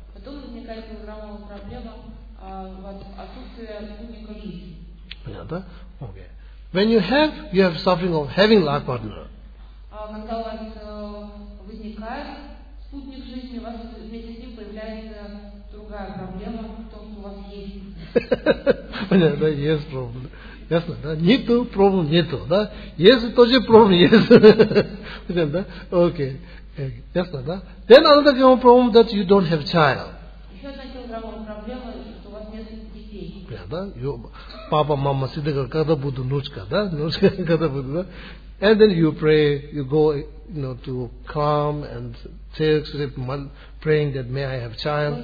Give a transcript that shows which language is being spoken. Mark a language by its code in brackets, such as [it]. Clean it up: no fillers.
[ru] Потом возникает килограммовая проблема отсутствие спутника жизни. Понятно? Okay. [en] When you have suffering of having life partner. [ru] Когда у вас возникает спутник жизни, у вас вместе с ним появляется другая проблема в том, что у вас есть. Понятно, да, есть проблем. Ясно, да? Нету, проблем нету, да? Есть, тоже проблем есть. Понятно, да? Окей. Ясно, да? [en] Then another kind of problem that you don't have child. [ru] Еще одна проблема, что у вас нет детей. Понятно? Папа, мама всегда говорят, когда буду внучка, да? Внучка, когда буду, да? [en] And then you pray, you go, you know, to come and take sleep, praying that may I have child.